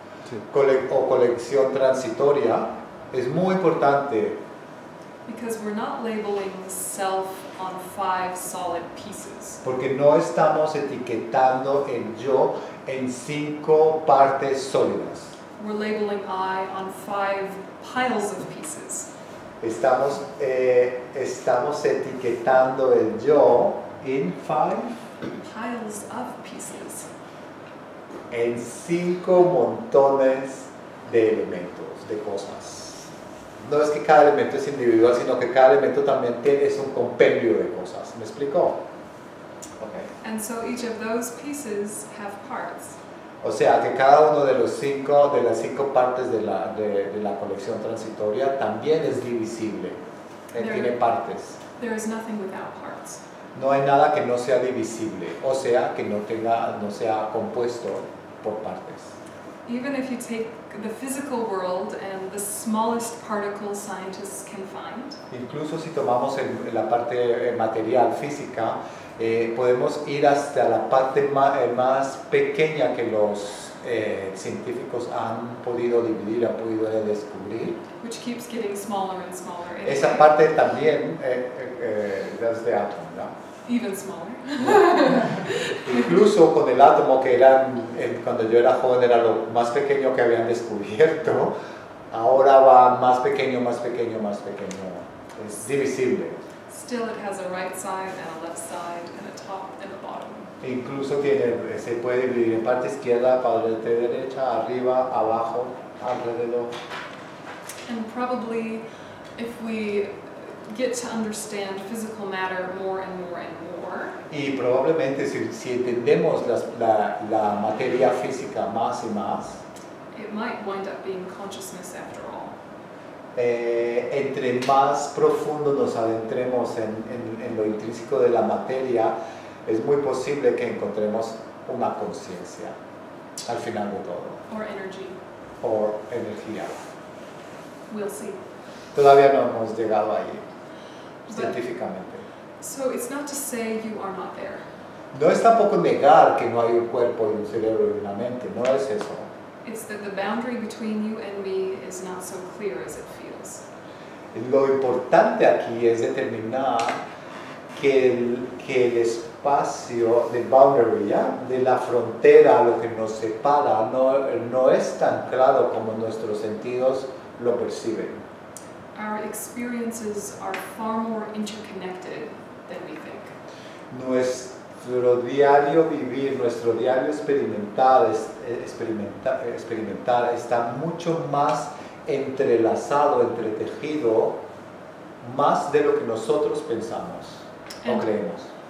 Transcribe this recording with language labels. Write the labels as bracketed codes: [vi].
[es] Sí. O colección transitoria es muy importante. [en] Because we're not labeling self on five solid pieces. [es] Porque no estamos etiquetando el yo en cinco partes sólidas. [en] We're labeling I on five piles of pieces. [es] Estamos etiquetando el yo [en] in five piles of pieces. [es] En cinco montones de elementos, de cosas. No es que cada elemento es individual, sino que cada elemento también es un compendio de cosas. ¿Me explico? Okay. [en] And so each of those pieces have parts. [es] O sea, que cada uno de los cinco, de las cinco partes de la colección transitoria también es divisible. Tiene partes. [en] There is nothing without parts. [es] No hay nada que no sea divisible, o sea, que no sea compuesto por partes. [en] even if you take the physical world and the smallest particle scientists can find, [es] incluso si tomamos la parte material física, podemos ir hasta la parte más pequeña que los científicos han podido dividir, han podido descubrir. [en] Which keeps getting smaller and smaller. Anyway. [es] Esa parte también es de átomo, ¿no? [en] Even smaller. [es] Incluso con el átomo que era, cuando yo era joven era lo más pequeño que habían descubierto, ahora va más pequeño, más pequeño, más pequeño. Es divisible. [en] Still it has a right side and a left side and a top and a bottom. [es] Incluso tiene, se puede dividir en parte izquierda, parte derecha, arriba, abajo, alrededor. [en] And probably if we get to understand physical matter more and more and more. [es] Y probablemente si entendemos la materia física más y más. [en] It might wind up being consciousness after all. [es] Entre más profundo nos adentremos en lo intrínseco de la materia, es muy posible que encontremos una conciencia al final de todo. O energía. [en] We'll see. [es] Todavía no hemos llegado ahí, científicamente. [en] So it's not to say you are not there. [es] No es tampoco negar que no hay un cuerpo y un cerebro y una mente, no es eso. [en] It's that the boundary between you and me is not so clear as it feels. [es] Lo importante aquí es determinar que el espacio, [en] the boundary, [es] ¿ya? De la frontera, lo que nos separa, no es tan claro como nuestros sentidos lo perciben. [en] Our experiences are far more interconnected than we think. [es] Nuestro diario vivir, nuestro diario experimentar está mucho más entrelazado, entretejido, más de lo que nosotros pensamos o creemos.